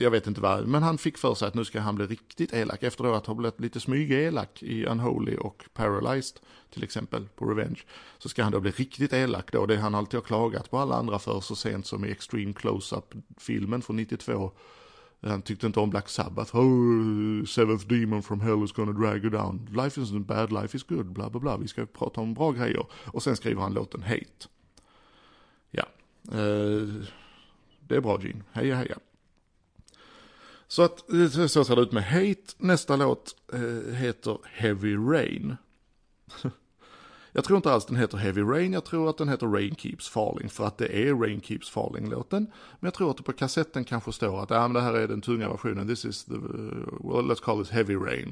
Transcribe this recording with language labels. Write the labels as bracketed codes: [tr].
[sv] Jag vet inte vad, men han fick för sig att nu ska han bli riktigt elak efter att ha blivit lite smygelak i Unholy och Paralyzed till exempel på Revenge. Så ska han då bli riktigt elak då. Det han alltid har klagat på alla andra för, så sent som i Extreme Close-Up-filmen från 92. Han tyckte inte om Black Sabbath. [en] Oh, seventh demon from hell is gonna drag you down. Life isn't bad, life is good, bla bla bla. [sv] Vi ska prata om bra grejer. Och sen skriver han låten Hate. Ja. Det är bra, Gene. Heja, heja. Så att så ser det ut med Hate. Nästa låt heter Heavy Rain. Jag tror inte alls den heter Heavy Rain. Jag tror att den heter Rain Keeps Falling. För att det är Rain Keeps Falling-låten. Men jag tror att det på kassetten kanske står att det här är den tunga versionen. [en] This is the, well, let's call this Heavy Rain.